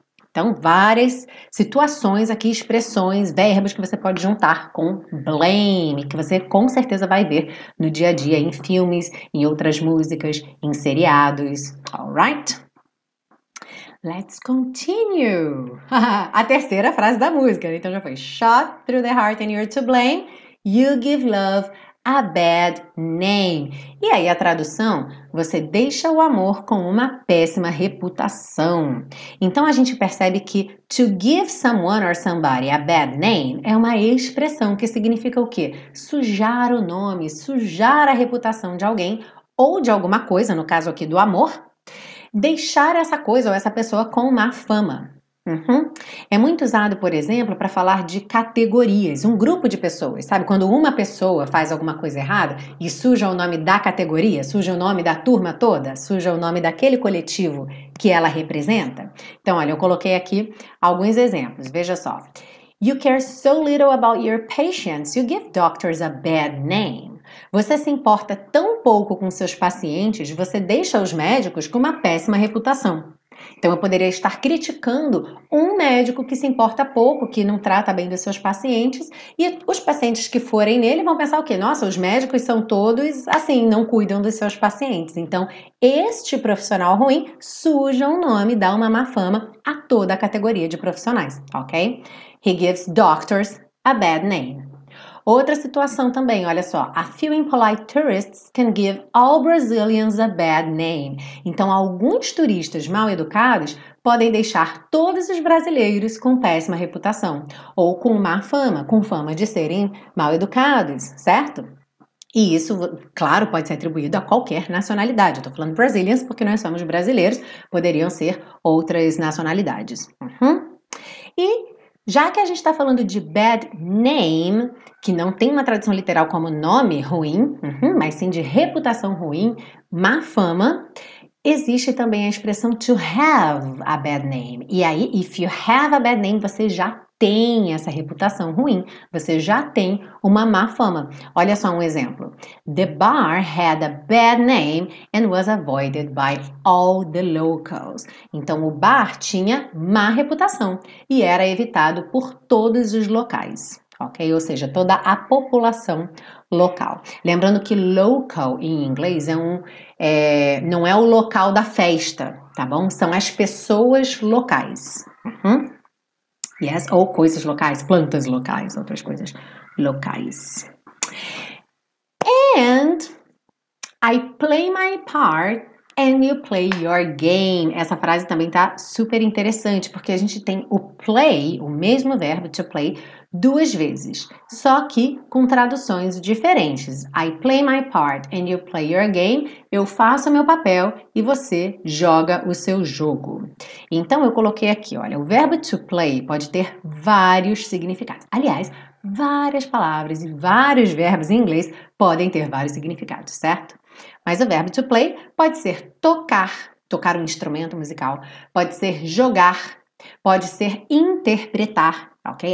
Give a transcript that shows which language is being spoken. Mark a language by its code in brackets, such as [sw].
[pt] Então, várias situações aqui, expressões, verbos que você pode juntar com blame, que você com certeza vai ver no dia a dia, em filmes, em outras músicas, em seriados. [en] All right? Let's continue. [pt] A terceira frase da música. Então, já foi. [en] Shot through the heart and you're to blame. You give love a bad name. [pt] E aí, a tradução? Você deixa o amor com uma péssima reputação. Então, a gente percebe que [en] to give someone or somebody a bad name [pt] é uma expressão que significa o quê? Sujar o nome, sujar a reputação de alguém ou de alguma coisa, no caso aqui do amor, deixar essa coisa ou essa pessoa com má fama. É muito usado, por exemplo, para falar de categorias, um grupo de pessoas, sabe? Quando uma pessoa faz alguma coisa errada e suja o nome da categoria, suja o nome da turma toda, suja o nome daquele coletivo que ela representa. Então, olha, eu coloquei aqui alguns exemplos, veja só. [en] You care so little about your patients, you give doctors a bad name. [pt] Você se importa tão pouco com seus pacientes, você deixa os médicos com uma péssima reputação. Então, eu poderia estar criticando um médico que se importa pouco, que não trata bem dos seus pacientes, e os pacientes que forem nele vão pensar o quê? Nossa, os médicos são todos assim, não cuidam dos seus pacientes. Então, este profissional ruim suja o nome, dá uma má fama a toda a categoria de profissionais, ok? [en] He gives doctors a bad name. [pt] Outra situação também, olha só. [en] A few impolite tourists can give all Brazilians a bad name. [pt] Então, alguns turistas mal educados podem deixar todos os brasileiros com péssima reputação ou com má fama, com fama de serem mal educados, certo? E isso, claro, pode ser atribuído a qualquer nacionalidade. Estou falando Brazilians porque nós somos brasileiros, poderiam ser outras nacionalidades. Já que a gente está falando de bad name, que não tem uma tradução literal como nome ruim, mas sim de reputação ruim, má fama, existe também a expressão [en] to have a bad name. [pt] E aí, [en] if you have a bad name, [pt] você já tem essa reputação ruim, você já tem uma má fama. Olha só um exemplo. [en] The bar had a bad name and was avoided by all the locals. [pt] Então, o bar tinha má reputação e era evitado por todos os locais, ok? Ou seja, toda a população local. Lembrando que local em inglês não é o local da festa, tá bom? São as pessoas locais. Yes, ou coisas locais, plantas locais, outras coisas locais. [en] And I play my part and you play your game. [pt] Essa frase também tá super interessante, porque a gente tem o play, o mesmo verbo to play, duas vezes, só que com traduções diferentes. [en] I play my part and you play your game. [pt] Eu faço o meu papel e você joga o seu jogo. Então eu coloquei aqui, olha, o verbo to play pode ter vários significados. Aliás, várias palavras e vários verbos em inglês podem ter vários significados, certo? Mas o verbo to play pode ser tocar um instrumento musical, pode ser jogar, pode ser interpretar. Ok?